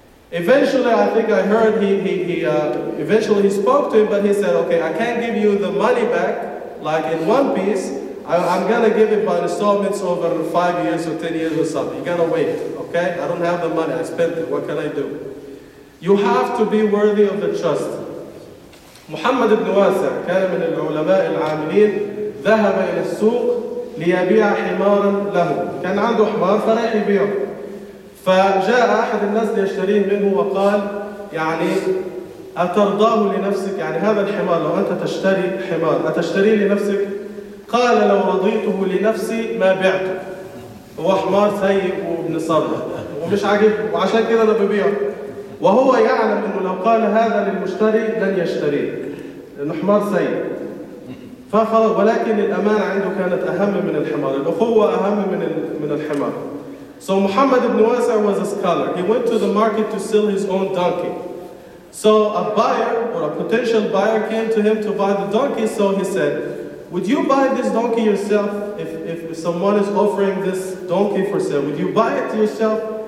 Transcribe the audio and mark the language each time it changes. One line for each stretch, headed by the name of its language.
English: Eventually, I think I heard, eventually he spoke to him, but he said, okay, I can't give you the money back. Like in one piece, I'm gonna give it by installments over 5 years or 10 years or something. You gotta wait, okay? I don't have the money, I spent it, what can I do? You have to be worthy of the trust.
Arabic: Muhammad ibn Wasa, كان من العلماء العاملين، ذهب إلى السوق ليبيع حمارا له. كان عنده حمار فرح يبيعه. فجاء أحد الناس ليشتريه منه وقال يعني أترضاه لنفسك؟ يعني هذا الحمار لو أنت تشتري حمار أتشتريه لنفسك؟ قال لو رضيته لنفسي ما بعته. هو حمار سيء وبنصره ومش عاجبه وعشان كده أنا ببيعه، وهو يعلم أنه لو قال هذا للمشتري لن يشتريه لأنه حمار سيء. فخلاص، ولكن الأمانة عنده كانت أهم من الحمار، الأخوة أهم من الحمار.
English: So Muhammad ibn Wasa was a scholar. He went to the market to sell his own donkey. So a buyer or a potential buyer came to him to buy the donkey. So he said, would you buy this donkey yourself? If someone is offering this donkey for sale, would you buy it yourself?